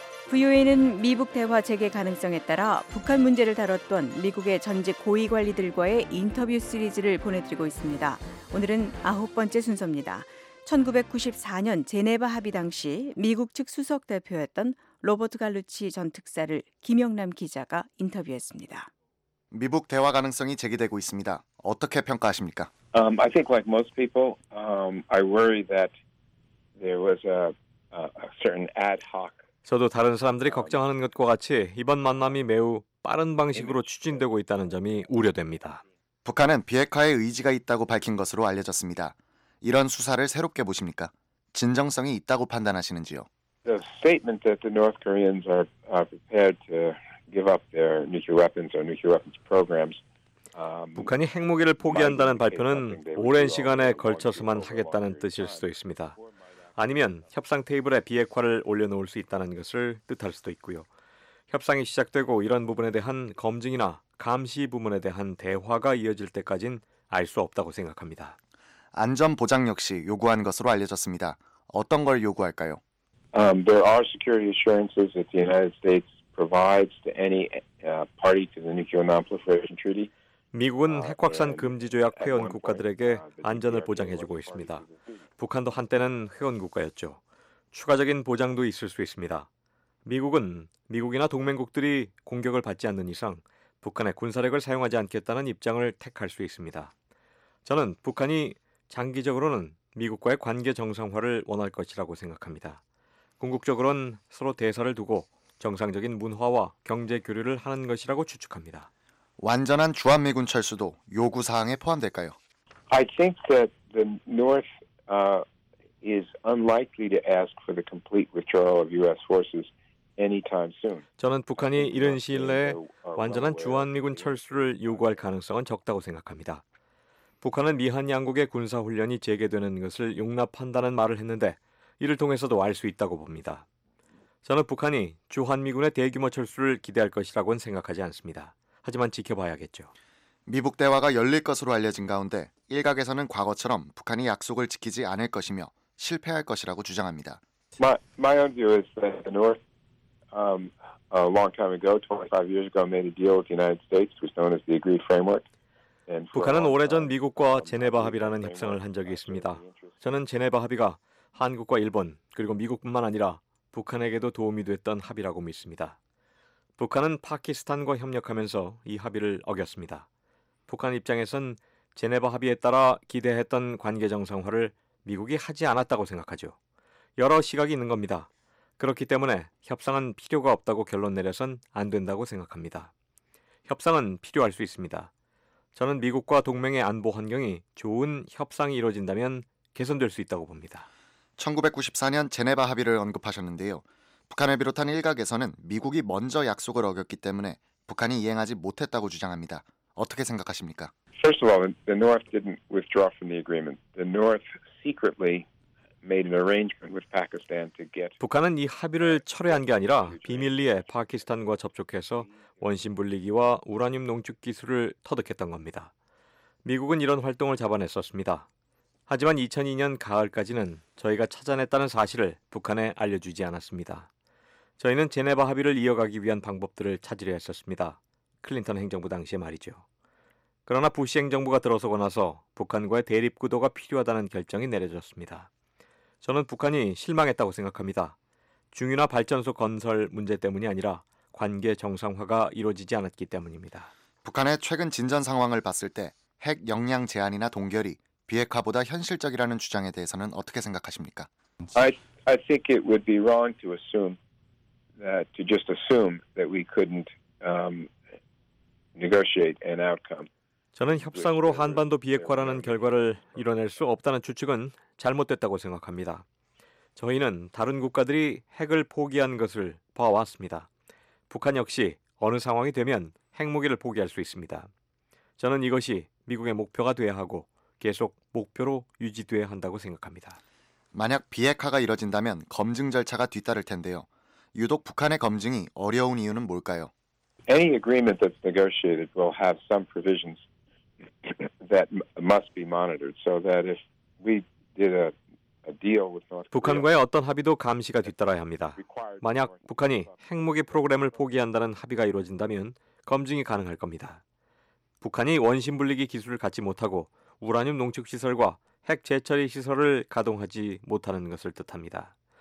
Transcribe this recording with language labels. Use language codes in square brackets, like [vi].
[ko] VOA는 미북 대화 재개 가능성에 따라 북한 문제를 다뤘던 미국의 전직 고위 관리들과의 인터뷰 시리즈를 보내드리고 있습니다. 오늘은 아홉 번째 순서입니다. 1994년 제네바 합의 당시 미국 측 수석 대표였던 로버트 갈루치 전 특사를 김영남 기자가 인터뷰했습니다. 미북 대화 가능성이 제기되고 있습니다. 어떻게 평가하십니까? [en] I think like most people, I worry that there was a certain ad hoc. [ko] 저도 다른 사람들이 걱정하는 것과 같이 이번 만남이 매우 빠른 방식으로 추진되고 있다는 점이 우려됩니다. 북한은 비핵화에 의지가 있다고 밝힌 것으로 알려졌습니다. 이런 수사를 새롭게 보십니까? 진정성이 있다고 판단하시는지요? [en] The statement that the North Koreans are prepared to give up their nuclear weapons or nuclear weapons programs. [ko] 북한이 핵무기를 포기한다는 발표는 오랜 시간에 걸쳐서만 하겠다는 뜻일 수도 있습니다. 아니면 협상 테이블에 비핵화를 올려놓을 수 있다는 것을 뜻할 수도 있고요. 협상이 시작되고 이런 부분에 대한 검증이나 감시 부분에 대한 대화가 이어질 때까지는 알 수 없다고 생각합니다. 안전 보장 역시 요구한 것으로 알려졌습니다. 어떤 걸 요구할까요? [en] There are security assurances that the United States provides to any party to the Nuclear Non-Proliferation Treaty. [ko] 미국은 핵확산 금지 조약 회원 국가들에게 안전을 보장해주고 있습니다. 북한도 한때는 회원 국가였죠. 추가적인 보장도 있을 수 있습니다. 미국은 미국이나 동맹국들이 공격을 받지 않는 이상 북한의 군사력을 사용하지 않겠다는 입장을 택할 수 있습니다. 저는 북한이 장기적으로는 미국과의 관계 정상화를 원할 것이라고 생각합니다. 궁극적으로는 서로 대사를 두고 정상적인 문화와 경제 교류를 하는 것이라고 추측합니다. 완전한 주한미군 철수도 요구 사항에 포함될까요? [en] I think that the North is unlikely to ask for the complete withdrawal of U.S. forces anytime soon. [ko] 저는 북한이 이른 시일 내에 완전한 주한미군 철수를 요구할 가능성은 적다고 생각합니다. 북한은 미한 양국의 군사 훈련이 재개되는 것을 용납한다는 말을 했는데 이를 통해서도 알 수 있다고 봅니다. 저는 북한이 주한미군의 대규모 철수를 기대할 것이라고는 생각하지 않습니다. 하지만 지켜봐야겠죠. 미북 대화가 열릴 것으로 알려진 가운데 일각에서는 과거처럼 북한이 약속을 지키지 않을 것이며 실패할 것이라고 주장합니다. [en] My own view is that the North, a long time ago, 25 years ago, made a deal with the United States, which was known as the Agreed Framework. [ko] 북한은 오래전 미국과 제네바 합의라는 협상을 한 적이 있습니다. 저는 제네바 합의가 한국과 일본, 그리고 미국뿐만 아니라 북한에게도 도움이 됐던 합의라고 믿습니다. 북한은 파키스탄과 협력하면서 이 합의를 어겼습니다. 북한 입장에선 제네바 합의에 따라 기대했던 관계 정상화를 미국이 하지 않았다고 생각하죠. 여러 시각이 있는 겁니다. 그렇기 때문에 협상은 필요가 없다고 결론 내려선 안 된다고 생각합니다. 협상은 필요할 수 있습니다. 저는 미국과 동맹의 안보 환경이 좋은 협상이 이루어진다면 개선될 수 있다고 봅니다. 1994년 제네바 합의를 언급하셨는데요. 북한을 비롯한 일각에서는 미국이 먼저 약속을 어겼기 때문에 북한이 이행하지 못했다고 주장합니다. 어떻게 생각하십니까? [en] First of all, the North didn't withdraw from the agreement. The North secretly made an arrangement with Pakistan to get [ko] 북한은 이 합의를 철회한 게 아니라 비밀리에 파키스탄과 접촉해서 원심 분리기와 우라늄 농축 기술을 터득했던 겁니다. 미국은 이런 활동을 잡아냈었습니다. 하지만 2002년 가을까지는 저희가 찾아냈다는 사실을 북한에 알려주지 않았습니다. 저희는 제네바 합의를 이어가기 위한 방법들을 찾으려 했었습니다. 클린턴 행정부 당시에 말이죠. 그러나 부시 행정부가 들어서고 나서 북한과의 대립 구도가 필요하다는 결정이 내려졌습니다. 저는 북한이 실망했다고 생각합니다. 중유나 발전소 건설 문제 때문이 아니라 관계 정상화가 이루어지지 않았기 때문입니다. 북한의 최근 진전 상황을 봤을 때 핵 역량 제한이나 동결이 비핵화보다 현실적이라는 주장에 대해서는 어떻게 생각하십니까? [en] I think it would be wrong to assume that to just assume that we couldn't negotiate an outcome. [ko] 저는 협상으로 한반도 비핵화라는 결과를 이뤄낼 수 없다는 추측은 잘못됐다고 생각합니다. 저희는 다른 국가들이 핵을 포기한 것을 봐왔습니다. 북한 역시 어느 상황이 되면 핵무기를 포기할 수 있습니다. 저는 이것이 미국의 목표가 돼야 하고 계속 목표로 유지돼야 한다고 생각합니다. 만약 비핵화가 이뤄진다면 검증 절차가 뒤따를 텐데요. 유독 북한의 검증이 어려운 이유는 뭘까요? [en] Any agreement that's negotiated will have some provisions that must be monitored so that if we did a deal with North Korea [ko] 북한과의 어떤 합의도 감시가 뒤따라야 합니다. 만약 북한이 핵무기 프로그램을 포기한다는 합의가 이루어진다면 검증이 가능할 겁니다. 북한이 원심 분리기 기술을 갖지 못하고 우라늄 농축 시설과 핵 재처리 시설을 가동하지 못하는 것을 뜻합니다.